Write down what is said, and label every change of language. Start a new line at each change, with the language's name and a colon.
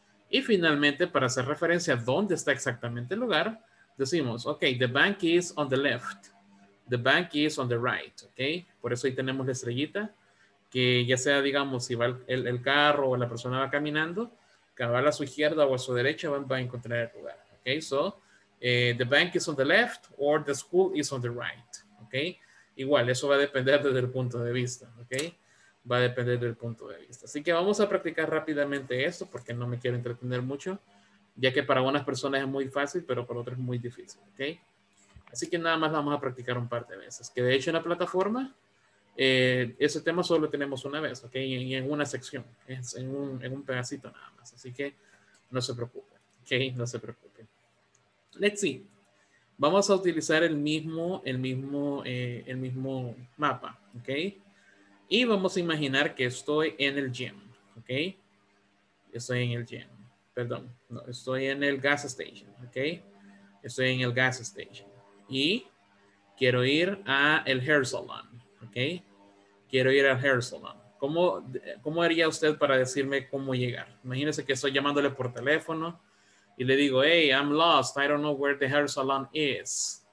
Spanish: Y finalmente, para hacer referencia a dónde está exactamente el lugar, decimos, ok,
English: the bank is on the left. The bank is on the right,
Spanish: ¿ok? Por eso ahí tenemos la estrellita, que ya sea, digamos, si va el carro o la persona va caminando, cabal a su izquierda o a su derecha va a encontrar el lugar, ¿ok?
English: So, the bank is on the left or the school is on the right, ¿ok?
Spanish: Igual, eso va a depender desde el punto de vista, ¿ok? Va a depender del punto de vista. Así que vamos a practicar rápidamente esto porque no me quiero entretener mucho, ya que para unas personas es muy fácil, pero para otras es muy difícil, ¿ok? Así que nada más vamos a practicar un par de veces. Que de hecho en la plataforma, ese tema solo lo tenemos una vez, ¿ok? Y en una sección, es en un pedacito nada más. Así que no se preocupen, ¿ok? No se preocupen.
English: Let's see.
Spanish: Vamos a utilizar el mismo mapa, ¿ok? Y vamos a imaginar que estoy en el gym, ¿ok? Estoy en el gym, perdón. No, estoy en el gas station, ¿ok? Estoy en el gas station. Y quiero ir a el hair salon, ¿ok? Quiero ir al hair salon. ¿Cómo haría usted para decirme cómo llegar? Imagínese que estoy llamándole por teléfono y le digo,
English: hey, I'm lost. I don't know where the hair salon is.